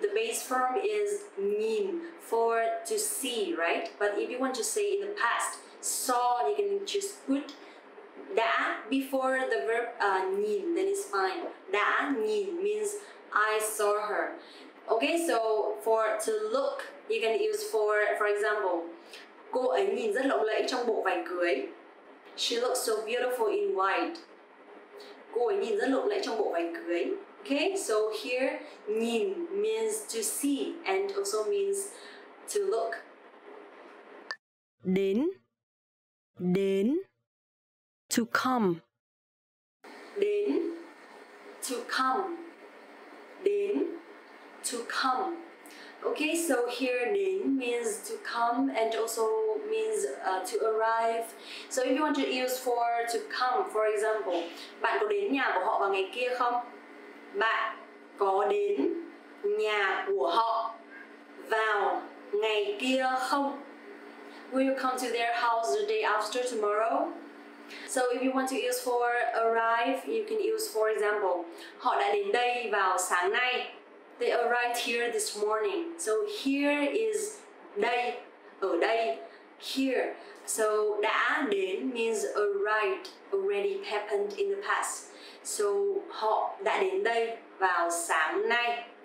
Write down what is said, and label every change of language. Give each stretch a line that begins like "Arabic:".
English: The base form is nhìn for to see, right? But if you want to say in the past, saw, you can just put đã before the verb nhìn, then it's fine. Đã nhìn means I saw her. Okay, so for to look, you can use for example,
Vietnamese: cô ấy nhìn rất lộng lẫy trong bộ váy cưới.
English: She looks so beautiful in white.
Vietnamese: Cô ấy nhìn rất lộng lẫy trong bộ váy cưới.
English: Okay, so here, nhìn means to see and also means to look. Đến, đến, to come. Đến, to come. Đến, to come. Okay, so here, đến means to come and also means to arrive. So if you want to use for to come, for example,
Vietnamese: bạn có đến nhà của họ vào ngày kia không? Bạn có đến nhà của họ vào ngày kia không?
English: Will you come to their house the day after tomorrow? So if you want to use for arrive, you can use, for example,
Vietnamese: họ đã đến đây vào sáng nay.
English: They arrived here this morning. So here is đây, ở đây, here. So đã đến means arrived, already happened in the past.
Vietnamese: So họ đã đến đây vào sáng nay.